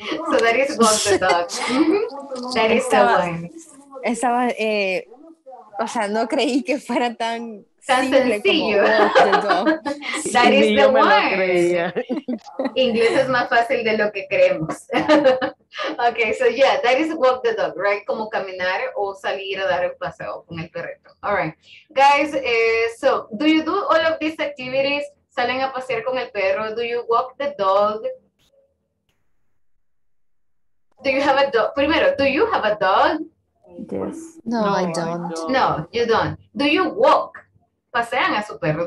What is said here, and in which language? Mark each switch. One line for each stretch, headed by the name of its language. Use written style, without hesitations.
English: So that is walk the dog. That is the one.
Spanish: Estaba, o sea, no creí que fuera tan sencillo.
English: That is the one.
Spanish: Inglés es más fácil de lo que creemos.
English: Okay, so yeah, that is walk the dog, right?
Spanish: Como caminar o salir a dar el paseo con el perrito.
English: All right. Guys, so do you do all of these activities?
Spanish: Salen a pasear con el perro.
English: Do you walk the dog? Do you have a dog? Primero, do you have a dog? Yes. No, I don't. No, you don't. Do you walk?
Spanish: Pasean a su perro.